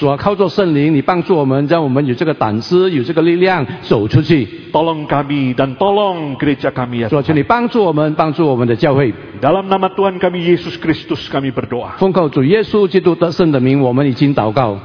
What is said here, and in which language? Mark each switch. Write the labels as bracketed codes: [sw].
[zh] 主，靠着圣灵，你帮助我们，让我们有这个胆识，有这个力量走出去。 [id] Tolong kami dan tolong gereja kami, ya. [zh] 主，求你帮助我们，帮助我们的教会。 [id] Dalam nama Tuhan kami Yesus Kristus kami berdoa. [zh] 奉靠主耶稣基督得胜的名，我们已经祷告。